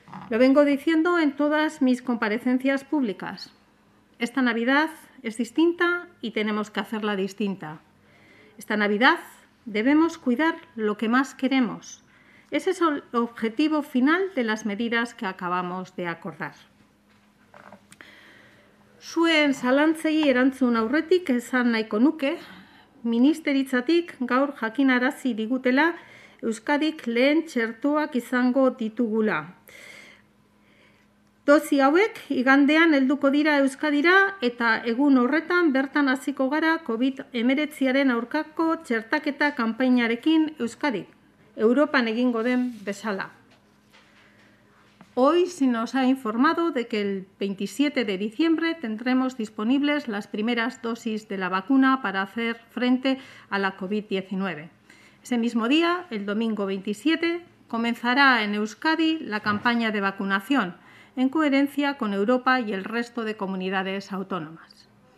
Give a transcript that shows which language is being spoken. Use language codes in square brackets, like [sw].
[es] Lo vengo diciendo en todas mis comparecencias públicas. Esta Navidad es distinta y tenemos que hacerla distinta. Esta Navidad debemos cuidar lo que más queremos. Ese es el objetivo final de las medidas que acabamos de acordar. [eu] Zuen zalantzei erantzun aurretik esan nahiko nuke, ministeritzatik gaur jakinarazi digutela Euskadik lehen txertoak izango ditugula. Dozi hauek igandean helduko dira Euskadira eta egun horretan bertan hasiko gara COVID-19aren aurkako txertaketa kanpainarekin Euskadi, Europan egingo den bezala. [es] Hoy se nos ha informado de que el 27 de diciembre tendremos disponibles las primeras dosis de la vacuna para hacer frente a la COVID-19. Ese mismo día, el domingo 27, comenzará en Euskadi la campaña de vacunación, en coherencia con Europa y el resto de comunidades autónomas.